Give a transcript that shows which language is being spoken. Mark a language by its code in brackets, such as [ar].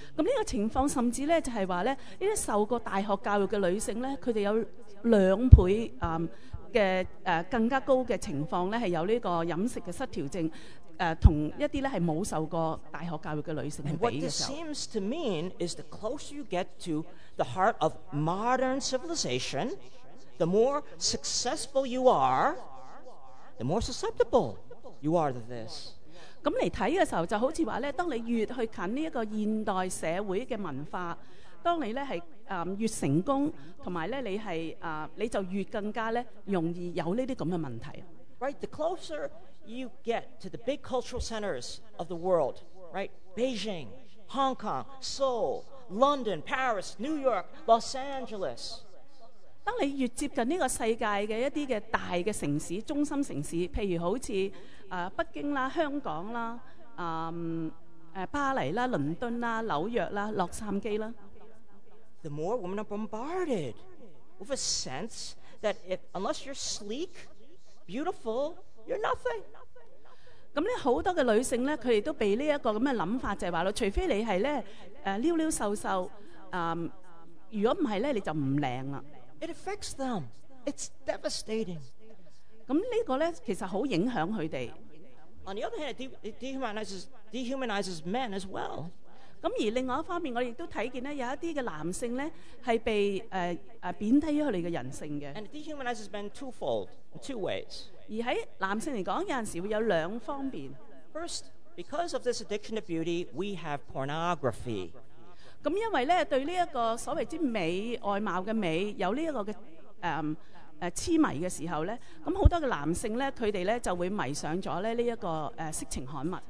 [yue] 咁呢個情況甚至咧就係話咧，呢啲受過大學教育嘅女性咧，佢哋有2倍更加高嘅情況咧，係有呢個飲食嘅失調症，同一啲咧係冇受過大學教育嘅女性去比嘅時候。 [en] And what this seems to mean is the closer you get to the heart of modern civilization, the more successful you are, the more susceptible you are to this. [yue] 咁嚟睇嘅時候，就好似話咧，當你越去近呢一個現代社會嘅文化，當你咧係越成功，同埋咧你係你就越更加咧容易有呢啲咁嘅問題。 [en] Right, the closer you get to the big cultural centers of the world, right? Beijing, Hong Kong, Seoul, London, Paris, New York, Los Angeles. [yue] 當你越接近呢個世界嘅一啲嘅大嘅城市、中心城市，譬如好似北京啦、香港啦、巴黎啦、倫敦啦、紐約啦、洛杉磯啦。 [en] The more women are bombarded with a sense that if, unless you're sleek, beautiful, you're nothing. [yue] 咁咧，好多嘅女性咧，佢哋都被呢一個咁嘅諗法就係話咯，除非你係咧溜溜瘦瘦，如果唔係咧，你就唔靚啦。 [en] It affects them. It's devastating. [yue] 咁呢個咧，其實好影響佢哋。 [en] On the other hand, it dehumanizes men as well. [yue] 咁而另外一方面，我亦都睇見咧，有一啲嘅男性咧係被貶低咗佢哋嘅人性嘅。 [en] And it dehumanizes men twofold, two ways. [yue] 而喺男性嚟講，有陣時會有兩方面。 [en] First, because of this addiction to beauty, we have pornography. [yue] 咁因為咧對呢一個所謂之美、外貌嘅美有呢一個嘅痴迷嘅時候咧，咁好多嘅男性咧，佢哋咧就會迷上咗咧呢一個色情刊物。